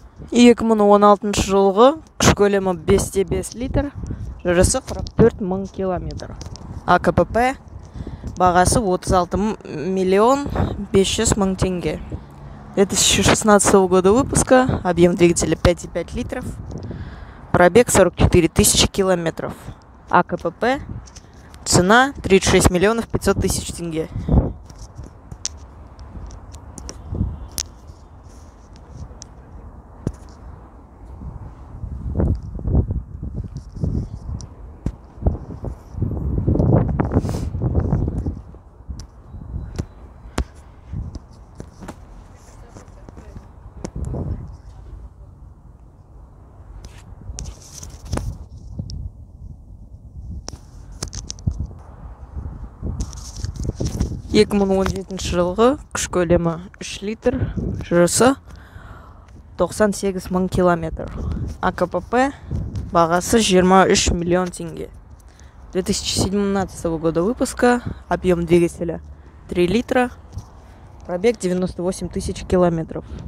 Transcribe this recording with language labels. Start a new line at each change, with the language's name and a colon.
Kazakh: И к ману он алтынш жылғы, күш көлемі 5,5 литр. Жүрісі 44 мың километр. АКПП бағасы 36 миллион 500 мың тенге.
Russian: 2016 года выпуска, объем двигателя 5,5 литров, пробег 44 тысячи километров. АКПП, цена 36 миллионов 500 тысяч тенге.
Kazakh: Екі мың он жетінші жылғы күш көлемі 3 литр, жүрісі 98 мың километр. АКПП бағасы 23 миллион тенге.
Russian: 2017 года выпуска, объем двигателя 3 литра, пробег 98 тысяч километров.